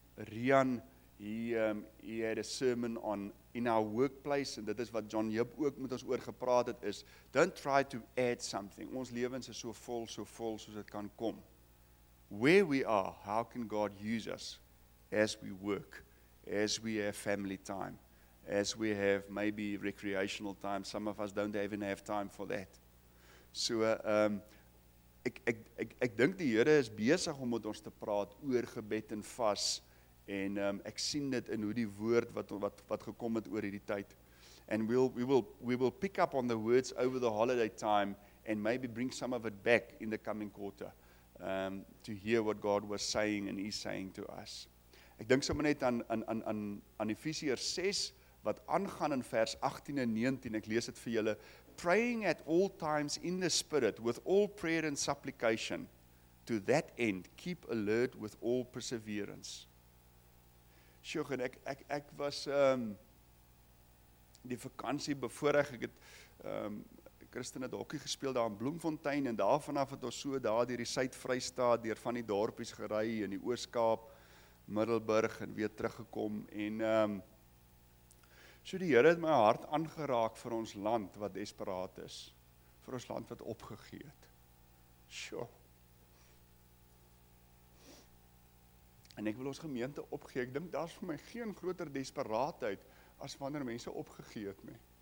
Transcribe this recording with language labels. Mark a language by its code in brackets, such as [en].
[en] Rian, he had a sermon on in our workplace, and [af] dit is wat John Yip ook met ons oor gepraat het, [en] is don't try to add something. [af] Ons lewens is so vol soos dit kan kom. [en] Where we are, how can God use us as we work, as we have family time, as we have maybe recreational time. Some of us don't even have time for that. [af] So, ek dink die Here is besig om met ons te praat oor gebed en vas, en ek sien dit in hoe die woord wat gekom het oor hierdie tyd. [en] And we will pick up on the words over the holiday time and maybe bring some of it back in the coming quarter to hear what God was saying and is saying to us. [af] Ek dink sommer net aan Efesiërs 6 wat aangaan in vers 18 en 19. Ek lees dit vir julle. [en] Praying at all times in the spirit with all prayer and supplication, to that end keep alert with all perseverance. [af] Sjoe, en ek was die vakansie bevoorreg, ek het Christen het hokkie gespeel daar in Bloemfontein, en daar vanaf het ons so daar deur die Suid-Vrystaat, deur van die dorpies gery in die Oos-Kaap, Middelburg, en weer teruggekom, en so die Here het my hart aangeraak vir ons land wat desperaat is, vir ons land wat opgegee het. Sjoe. En ek wil ons gemeente opgee, ek dink daar is vir my geen groter desperaatheid as wanneer mense opgegee het nie.